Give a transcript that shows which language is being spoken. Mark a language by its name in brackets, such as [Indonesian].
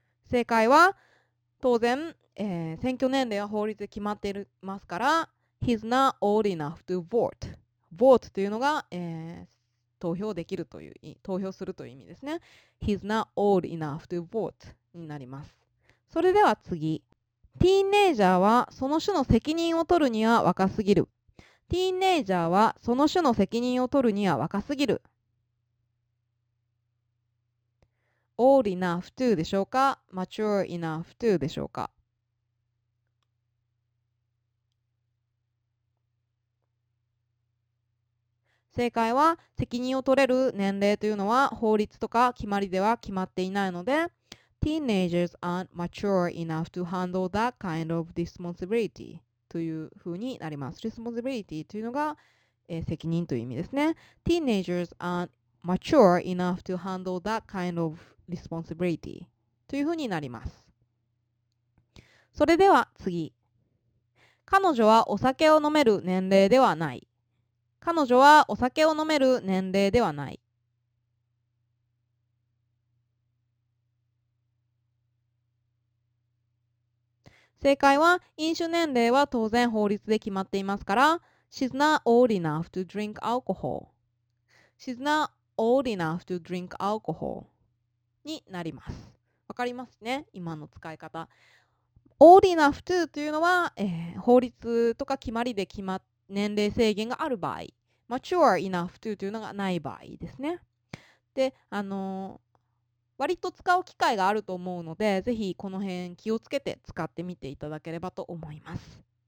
[Japanese] 正解は、当然、選挙年齢は法律で決まっていますから、 [English] He's not old enough to vote. [Japanese] Vote というのが、投票できるという、投票するという意味ですね。 [English] He's not old enough to vote [Japanese] になります。それでは次。ティーンエイジャーはその種の責任を取るには若すぎる。ティーンエイジャーはその種の責任を取るには若すぎる。 [English] Old enough to [Japanese] でしょうか [English] ?Mature enough to でしょうか。 [Japanese] 正解は責任を取れる年齢というのは法律とか決まりでは決まっていないので、 [English] Teenagers aren't mature enough to handle that kind of responsibility [Japanese] というふうになります。 Responsibility というのが、責任という意味ですね。 [English] Teenagers aren't mature enough to handle that kind of responsibility [Japanese] というふうになります。それでは次。彼女はお酒を飲める年齢ではない。彼女はお酒を飲める年齢ではない。正解は、飲酒年齢は当然法律で決まっていますから、 [English] She's not old enough to drink alcohol. She's not old enough to drink alcohol. [Japanese] になります。わかりますね、今の使い方。 [English] Old enough to [Japanese] というのは、法律とか決まりで決ま年齢制限がある場合、 [English] mature enough to [Japanese] というのがない場合ですね。で、割と使う機会があると思うので、ぜひこの辺気をつけて使ってみていただければと思います。